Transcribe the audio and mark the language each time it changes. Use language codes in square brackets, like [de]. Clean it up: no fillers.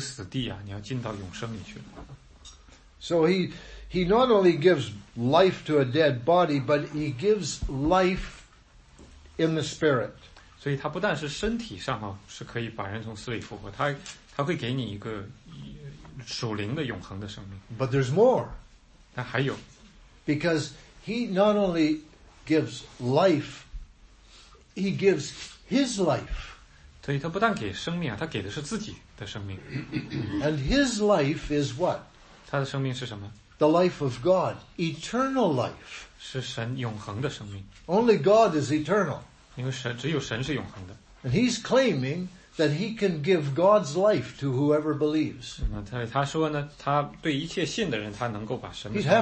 [zh] 所以他说你信他呢活的话，你就出了这个死地啊，你要进到永生里去了。 [en] So he not only gives life to a dead body, but he gives life in the spirit. [zh] 所以他不但是身体上是可以把人从死里复活，他会给你一个属灵的永恒的生命。 [en] But there's more. [zh] 那还有。 [en] Because he not only gives life, he gives his life. [zh] 所以他不但给生命，他给的是自己的生命。 [en] And his life is what? [zh] 他的生命是什么? [en] The life of God, eternal life. [zh] 是神永恒的生命。 [en] Only God is eternal. [zh] 因为只有神是永恒的。 [en] And he's claiming that he can give God's life to whoever believes. [zh] 他说呢，他对一切信的人，他能够把神的生命。